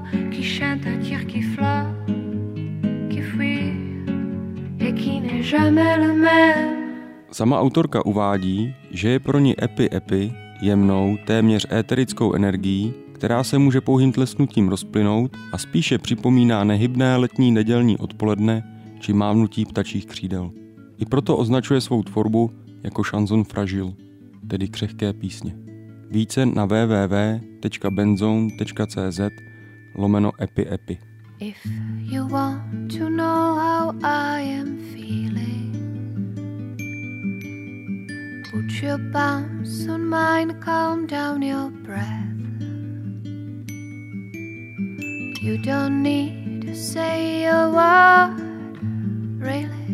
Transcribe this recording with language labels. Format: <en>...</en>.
<fr>Qui chante un tir qui flotte, qui fuit et qui n'est jamais le même.</fr> <cs>Sama autorka uvádí, že je pro ní Epi Epi jemnou, téměř éterickou energií, která se může pouhým tlesnutím rozplynout a spíše připomíná nehybné letní nedělní odpoledne či mávnutí ptačích křídel. I proto označuje svou tvorbu jako chanson fragile, tedy křehké písně. Více na www.benzone.cz/epiepi.</cs> <en>If you want to know how I am feeling, put your palms on mine, calm down your breath. You don't need to say a word, really.</en>